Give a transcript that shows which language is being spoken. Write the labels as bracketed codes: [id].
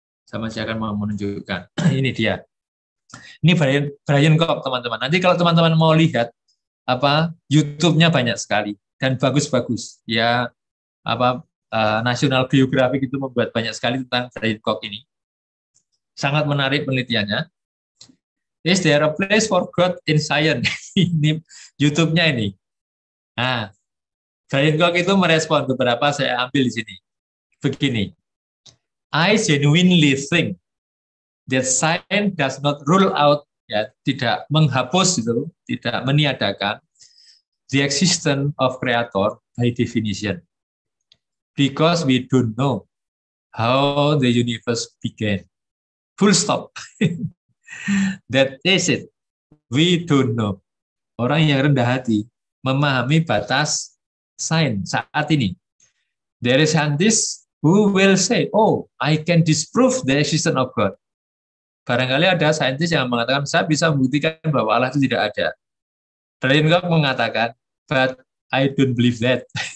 [id] Sama saya akan menunjukkan. Ini dia. Ini Brian Kopp, teman-teman. Nanti kalau teman-teman mau lihat, YouTube-nya banyak sekali, dan bagus-bagus. Ya, National Geographic itu membuat banyak sekali tentang Brian Kopp ini. Sangat menarik penelitiannya. [en] Is there a place for God in science? [id] Ini YouTube-nya ini. Nah, Brian Kopp itu merespon beberapa saya ambil di sini. Begini. [en] I genuinely think that science does not rule out, [id] ya, tidak menghapus, gitu, tidak meniadakan [en] the existence of creator by definition. Because we don't know how the universe began. Full stop. That is it. We don't know. [id] Orang yang rendah hati memahami batas sains saat ini. [en] There is scientists who will say, oh, I can disprove the existence of God. [id] Barangkali ada saintis yang mengatakan, saya bisa membuktikan bahwa Allah itu tidak ada. [en] Brian Kopp [id] mengatakan, [en] but I don't believe that.